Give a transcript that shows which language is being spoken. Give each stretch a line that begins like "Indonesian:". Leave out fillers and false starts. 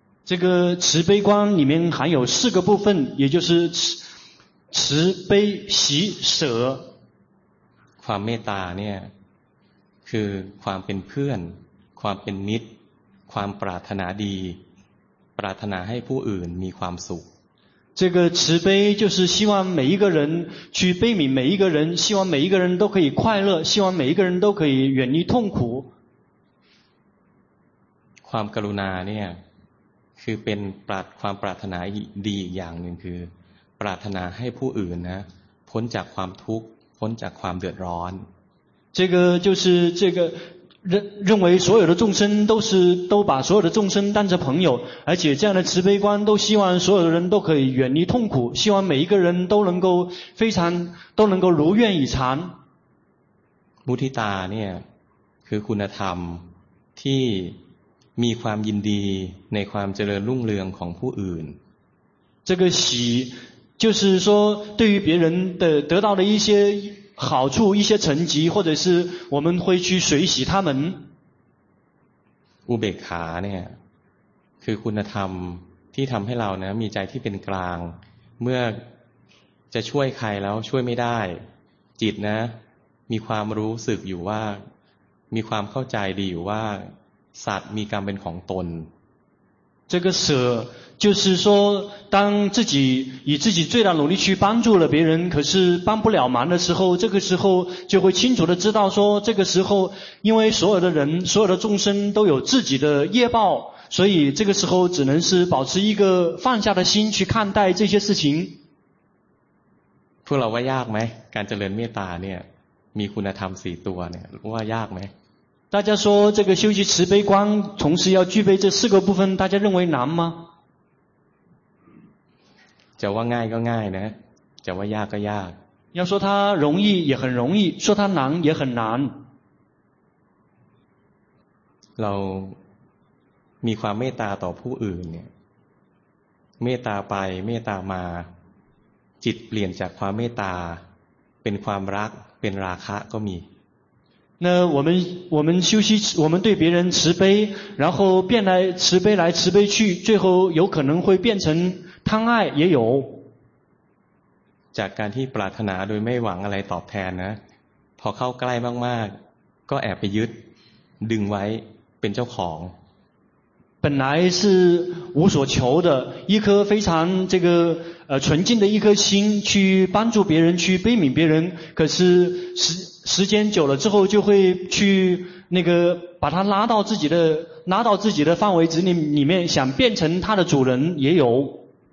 Chinese: 这个慈悲观里面含有4个部分也就是慈悲喜舍
Thai: ความเมตตาเนี่ยคือความเป็นเพื่อนความเป็นมิตรความปรารถนาดีปรารถนาให้ผู้อื่นมีความสุข
Chinese: 这个慈悲就是希望每一个人去悲悯每一个人希望每一个人都可以快乐希望每一个人都可以远离痛苦
Thai: ความกรุณาเนี่ยคือเป็นความปรารถนาดีอย่างหนึ่งคือปรารถนาให้ผู้อื่นนะพ้นจากความทุกข์พ้นจากความเดือดร้อน
Chinese: 这个就是这个认为所有的众生都把所有的众生当成朋友，而且这样的慈悲观都希望所有的人都可以远离痛苦，希望每一个人都能够都能够如愿以偿。
Thai: มุทิตาเนี่ยคือคุณธรรมที่มีความยินดีในความเจริญรุ่งเรืองของผู้อื่น。
Chinese: 这个喜就是说对于别人的得到的一些。好处一些成绩或者是我们会去随喜他们
Thai: อุเบกขาเนี่ยคือคุณธรรมที่ทำให้เรานะมีใจที่เป็นกลางเมื่อจะช่วยใครแล้วช่วยไม่ได้จิตนะมีความรู้สึกอยู่ว่ามีความเข้าใจดีอยู่ว่าสัตว์มีกรรมเป็นของตน
Chinese: 这个舍就是说当自己以自己最大努力去帮助了别人可是帮不了忙的时候这个时候就会清楚的知道说这个时候因为所有的人所有的众生都有自己的业报所以这个时候只能是保持一个放下的心去看待这些事情
Thai: พวกเราว่ายากไหมการเจริญเมตตาเนี่ยมีคุณธรรมสี่ตัวเนี่ยว่ายากไหม
Chinese: 大家说这个修习慈悲观同时要具备这四个部分大家认为难吗
Thai: จะว่าง่ายก็ง่ายนะจะว่ายากก็ยาก
Chinese: 要说它容易也很容易说它难也很难
Thai: เรามีความเมตตาต่อผู้อื่นเนี่ยเมตตาไปเมตตามาจิตเปลี่ยนจากความเมตตาเป็นความรักเป็นราคะก็มี
Chinese: 那我们修习我们对别人慈悲然后变来慈悲来慈悲去最后有可能会变成贪爱也有
Thai: จากการที่ปรารถนาโดยไม่หวังอะไรตอบแทนนะพอเข้าใกล้มากๆก็แอบไปยึดดึงไว้เป็นเจ้าของ
Chinese: 本来是无所求的一颗非常这个纯净的一颗心去帮助别人去悲悯别人可是时间久了之后就会去那个把它拉到自己的范围之里面想变成它的主人也有